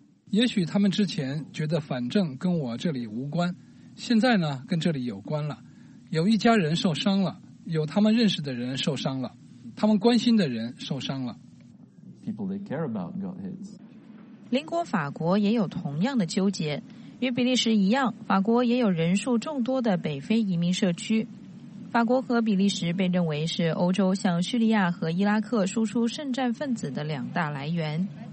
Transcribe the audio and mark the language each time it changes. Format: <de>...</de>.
<zh>也许他们之前觉得反正跟我这里无关，现在呢跟这里有关了。有一家人受伤了，有他们认识的人受伤了，他们关心的人受伤了。</zh> <en>People they care about got hit.</en> <zh>邻国法国也有同样的纠结。与比利时一样，法国也有人数众多的北非移民社区。法国和比利时被认为是欧洲向叙利亚和伊拉克输出圣战分子的两大来源。</zh>